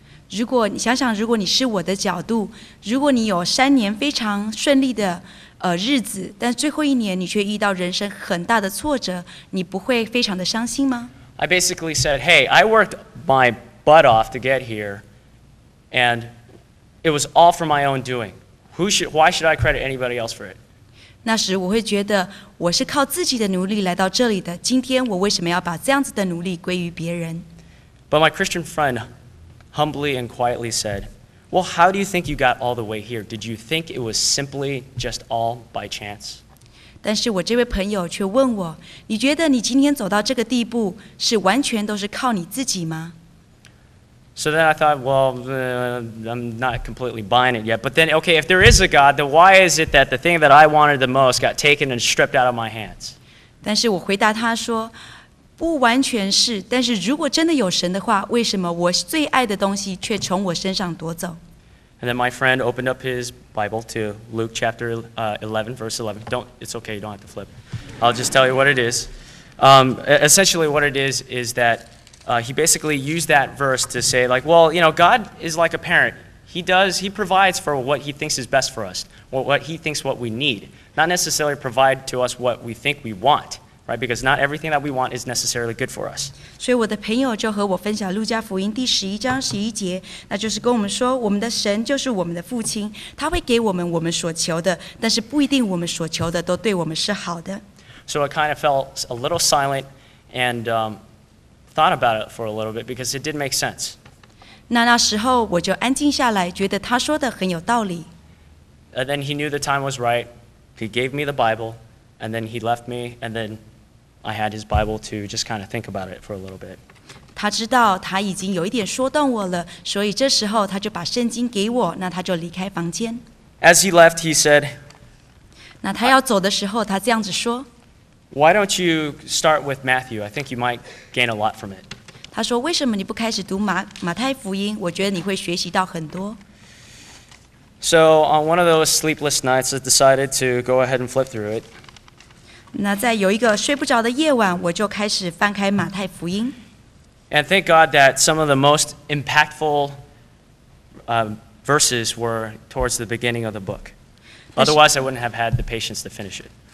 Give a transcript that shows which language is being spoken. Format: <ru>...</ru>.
<zh>如果你想想如果你是我的角度如果你有三年非常顺利的日子但最后一年你却遇到人生很大的挫折你不会非常的伤心吗？</zh> <en>I basically said, hey, I worked my butt off to get here, and it was all for my own doing. Why should I credit anybody else for it?</en> <zh>那时我会觉得我是靠自己的努力来到这里的。今天我为什么要把这样子的努力归于别人？</zh> <en>But my Christian friend humbly and quietly said, well, how do you think you got all the way here? Did you think it was simply just all by chance?</en> <zh>但是我这位朋友却问我，你觉得你今天走到这个地步，是完全都是靠你自己吗？</zh> <en>So then I thought, well, I'm not completely buying it yet. But then, okay, if there is a God, then why is it that the thing that I wanted the most got taken and stripped out of my hands?</en> <zh>但是我回答他说，不完全是，但是如果真的有神的话，为什么我最爱的东西却从我身上夺走？</zh> <en>And then my friend opened up his Bible to Luke chapter 11, verse 11. It's okay, you don't have to flip. I'll just tell you what it is. Essentially what it is that he basically used that verse to say like, well, you know, God is like a parent. He provides for what he thinks is best for us, or what he thinks what we need. Not necessarily provide to us what we think we want. Right, because not everything that we want is necessarily good for us.</en> <zh>所以我的朋友就和我分享路加福音第十一章十一节，那就是跟我们说，我们的神就是我们的父亲，他会给我们我们所求的，但是不一定我们所求的都对我们是好的。</zh> <en>So I kind of felt a little silent and thought about it for a little bit because it did make sense.</en> <zh>那时候我就安静下来，觉得他说的很有道理。</zh> <en>And then he knew the time was right. He gave me the Bible. And then he left me, and then I had his Bible to just kind of think about it for a little bit.</en> <zh>他知道他已经有一点说动我了，所以这时候他就把圣经给我，那他就离开房间。</zh> <en>As he left, he said,</en> <zh>那他要走的时候，他这样子说，</zh> <en>Why don't you start with Matthew? I think you might gain a lot from it.</en> <zh>他说，为什么你不开始读马太福音？我觉得你会学习到很多。</zh> <en>So on one of those sleepless nights, I decided to go ahead and flip through it.</en> <zh>那在有一个睡不着的夜晚，我就开始翻开马太福音。</zh> <en>And thank God that some of the most impactful verses were towards the beginning of the book. Otherwise, I wouldn't have had the patience to finish it.</en>